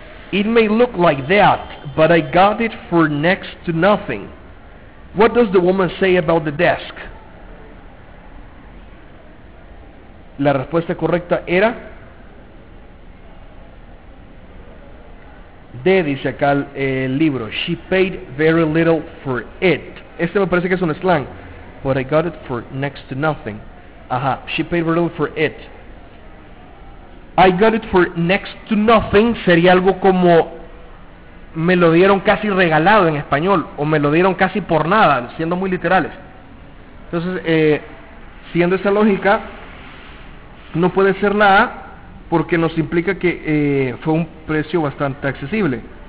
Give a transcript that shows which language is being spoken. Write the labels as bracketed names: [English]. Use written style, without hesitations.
[English] It may look like that, but I got it for next to nothing. What does the woman say about the desk? [Spanish] La respuesta correcta era D, dice acá el libro. [English] She paid very little for it. [Spanish] Este me parece que es un slang. [English] But I got it for next to nothing. Ajá, she paid very little for it. I got it for next to nothing [Spanish] sería algo como, me lo dieron casi regalado en español, o me lo dieron casi por nada, siendo muy literales. Entonces, siguiendo esa lógica, no puede ser la A, porque nos implica que fue un precio bastante accesible.